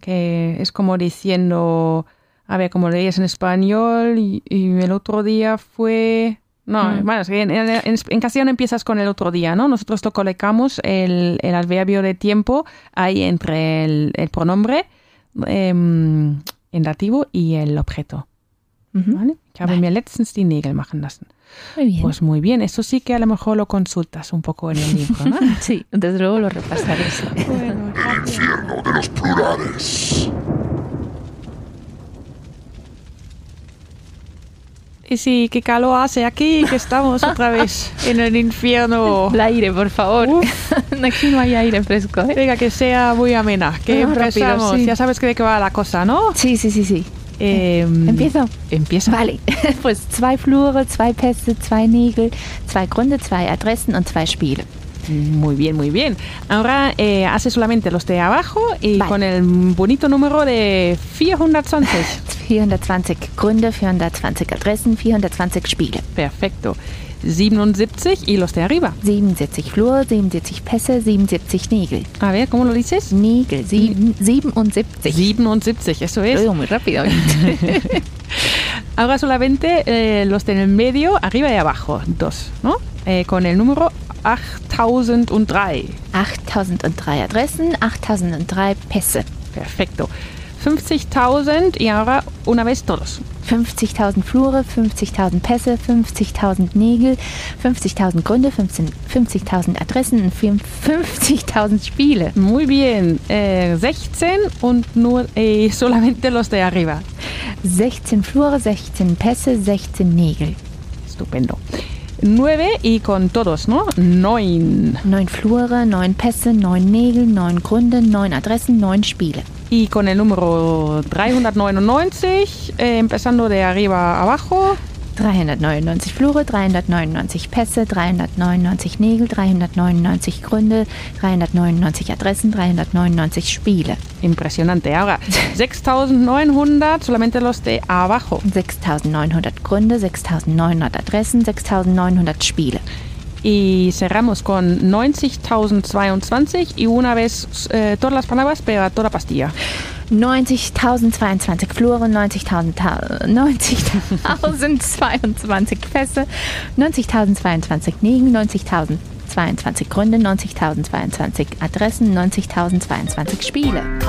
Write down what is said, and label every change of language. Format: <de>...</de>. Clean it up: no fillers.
<es>Que es como diciendo, a ver, como leías en español, y el otro día fue... No, bueno, es que en castellano empiezas con el otro día, ¿no? Nosotros lo colocamos el adverbio de tiempo ahí entre el pronombre en dativo y el objeto. Uh-huh. ¿Vale?</es> <de>Ich habe mir letztens die Nägel machen lassen.</de> <es>Muy bien. Pues muy bien, eso sí que a lo mejor lo consultas un poco en el libro, ¿no? Sí, desde luego lo repasaré. Bueno, el infierno de los plurales. Y sí, qué calor hace aquí, que estamos otra vez en el infierno. El aire, por favor. Aquí no hay aire fresco. ¿Eh? Venga, que sea muy amena, que empezamos. Rápido, sí. Ya sabes que de qué va la cosa, ¿no? Sí, sí, sí, sí. ¿Empiezo? Empieza. Vale.</es> <de>Pues, zwei Flure, zwei Pässe, zwei Nägel, zwei Gründe, zwei Adressen und zwei Spiele.</de> <es>Muy bien, muy bien. Ahora hace solamente los de abajo y vale. Con el bonito número de 420.</es> <de>420 Gründe, 420 Adressen, 420 Spiele.</de> <es>Perfecto. 77 y los de arriba.</es> <de>77 Flur, 77 Pässe, 77 Nägel.</de> <es>A ver, ¿cómo lo dices?</es> <de>Nägel, 77.</de> <es>77, eso es. Oigo muy rápido. Ahora solamente los de en el medio, arriba y abajo, dos, ¿no? Con el número 8003.</es> <de>8003 Adressen, 8003 Pässe.</de> <es>Perfecto. 50.000 y ahora una vez todos.</es> <de>50.000 Flure, 50.000 Pässe, 50.000 Nägel, 50.000 Gründe, 50.000 Adressen und 50.000 Spiele.</de> <es>Muy bien. 16 und nur solamente los de arriba.</es> <de>16 Flure, 16 Pässe, 16 Nägel.</de> <es>Estupendo. 9 y con todos, ¿no? 9.</es> <de>9 Flure, 9 Pässe, 9 Nägel, 9 Gründe, 9 Adressen, 9 Spiele.</de> <es>Y con el número 399, empezando de arriba abajo.</es> <de>399 Flure, 399 Pässe, 399 Nägel, 399 Gründe, 399 Adressen, 399 Spiele.</de> <es>Impresionante. Ahora, 6.900, solamente los de abajo.</es> <de>6.900 Gründe, 6.900 Adressen, 6.900 Spiele.</de> <es>Y cerramos con 90.022 y una vez todas las palabras, pero a toda pastilla.</es> <de>90.022 Fluren, 90.022 Pässe, 90.022 Nägen, 90.022 Gründe, 90.022 Adressen, 90.022 Spiele.</de>